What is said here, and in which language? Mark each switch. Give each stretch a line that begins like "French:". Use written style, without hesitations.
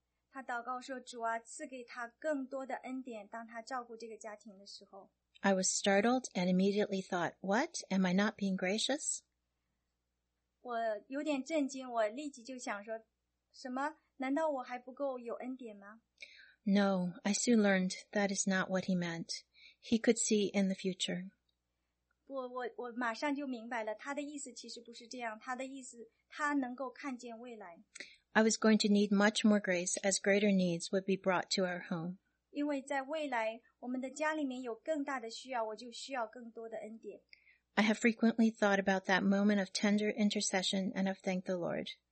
Chinese: 他祷告说，主啊，赐给她更多的恩典，当她照顾这个家庭的时候。
English: I was startled and immediately thought, what, am I not being gracious?
Chinese: 我有点震惊，我立即就想说，什么，难道我还不够有恩典吗？
English: No, I soon learned that is not what he meant. He could see in the future.
Chinese: 我马上就明白了，他的意思其实不是这样，他的意思他能够看见未来。
English: I was going to need much more grace as greater needs would be brought to our home.
Chinese: 因为在未来，我们的家里面有更大的需要，我就需要更多的恩典。
English: I have frequently thought about that moment of tender intercession and have thanked the Lord.